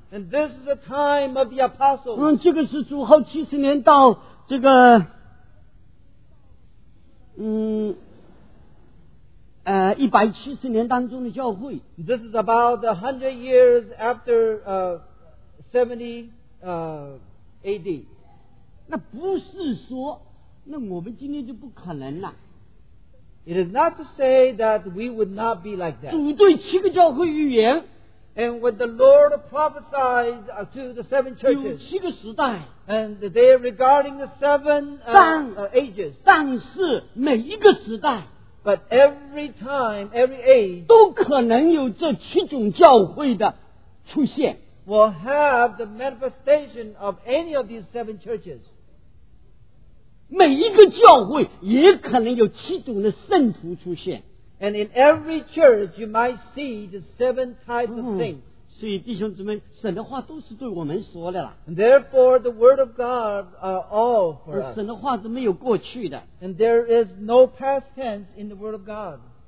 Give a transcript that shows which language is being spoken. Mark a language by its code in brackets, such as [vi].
[en] and this is the time of the apostles. [zh] 这个是主后70年到这个, 170年当中的教会. [en] This is about 100 years after 70 AD. [zh] 那不是说，那我们今天就不可能了。 [en] It is not to say that we would not be like that. [zh] 主对七个教会预言, [en] and when the Lord prophesied to the seven churches, [zh] 有七个时代, [en] and they are regarding the seven ages. [zh] 但是每一个时代, [en] but every time, every age, [zh] 都可能有这七种教会的出现, [en] will have the manifestation of any of these seven churches. [zh] 每一个教会也可能有七种的圣徒出现, [en] and in every church, you might see the seven types of things. [zh] 所以弟兄姊妹，神的话都是对我们说的啦。 [en] And therefore, the word of God are all for us. [zh] 神的话是没有过去的。 [en] And there is no past tense in the word of God.